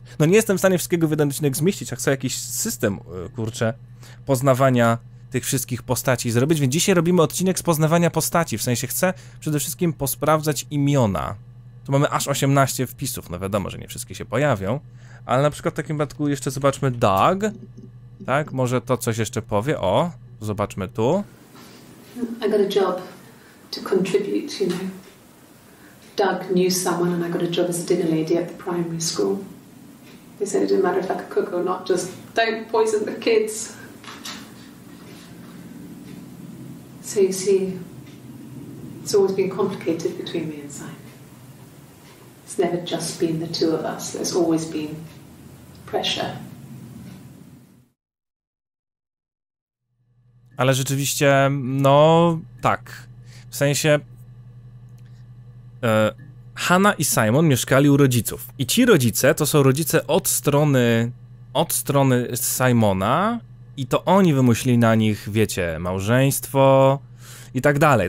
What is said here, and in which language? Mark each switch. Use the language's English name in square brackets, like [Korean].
[Polish] No nie jestem w stanie wszystkiego w jeden odcinek zmieścić, a chcę jakiś system, kurczę, poznawania tych wszystkich postaci zrobić, więc dzisiaj robimy odcinek z poznawania postaci. W sensie chcę przede wszystkim posprawdzać imiona. Tu mamy aż 18 wpisów, no wiadomo, że nie wszystkie się pojawią. Ale na przykład w takim przypadku jeszcze zobaczmy Doug. Tak, może to coś jeszcze powie. O, zobaczmy tu. [English] I got a job to contribute, you know. Doug knew someone and I got a job as a dinner lady at the primary school. They said it didn't matter if I could cook or not, just don't poison the kids. So you see, it's always been complicated between me and Simon. It's never just been the two of us. There's always been pressure. [Polish] Ale rzeczywiście, no tak, w sensie Hanna i Simon mieszkali u rodziców i ci rodzice to są rodzice od strony Simona i to oni wymyślili na nich, wiecie, małżeństwo i tak dalej.